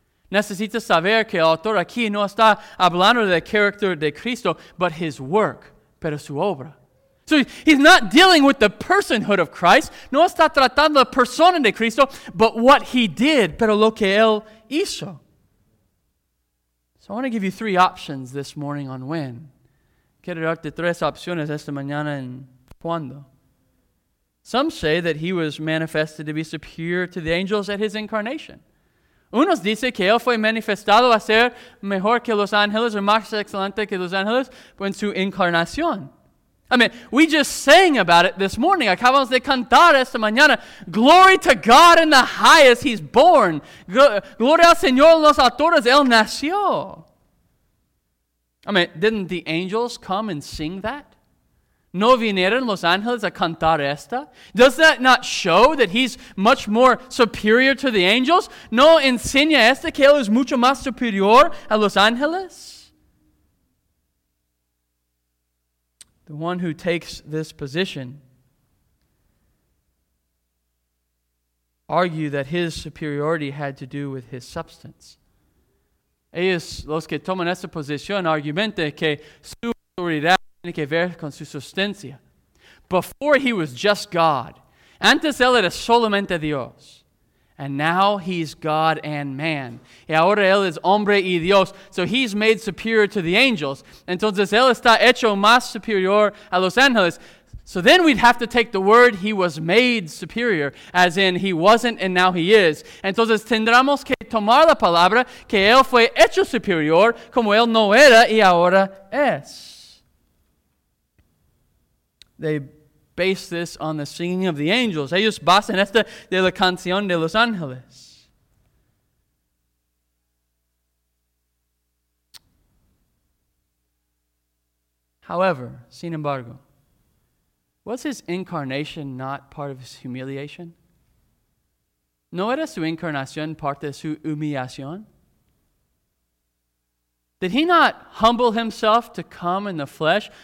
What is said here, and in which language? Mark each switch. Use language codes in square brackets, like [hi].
[es] Necesita saber que el autor aquí no está hablando del carácter de Cristo, [en] but his work, [es] pero su obra. [en] So he's not dealing with the personhood of Christ, [es] no está tratando la persona de Cristo, [en] but what he did, [es] pero lo que él hizo. [en] So I want to give you three options this morning on when. [es] Quiero darte tres opciones esta mañana en cuándo. [en] Some say that he was manifested to be superior to the angels at his incarnation. [es] Unos dicen que él fue manifestado a ser mejor que los ángeles o más excelente que los ángeles en su encarnación. [en] I mean, we just sang about it this morning. [es] Acabamos de cantar esta mañana. [en] Glory to God in the highest, he's born. [es] Gloria al Señor en los altos, él nació. [en] I mean, didn't the angels come and sing that? [es] ¿No vinieron los ángeles a cantar esta? [en] Does that not show that he's much more superior to the angels? [es] ¿No enseña esta que él es mucho más superior a los ángeles? [en] The one who takes this position argue that his superiority had to do with his substance. [es] Ellos, los que toman esta posición, argumentan que su autoridad tiene que ver con su sustancia. [en] Before he was just God. [es] Antes él era solamente Dios. [en] And now he's God and man. [es] Y ahora él es hombre y Dios. [en] So he's made superior to the angels. [es] Entonces él está hecho más superior a los ángeles. [en] So then we'd have to take the word he was made superior, as in he wasn't and now he is. [es] Entonces tendremos que tomar la palabra que él fue hecho superior como él no era y ahora es. [en] They base this on the singing of the angels. [es] Ellos basan esta de la canción de los ángeles. [en] However, [es] sin embargo, [en] was his incarnation not part of his humiliation? [es] ¿No era su incarnación parte de su humillación? [en] Did he not humble himself to come in the flesh?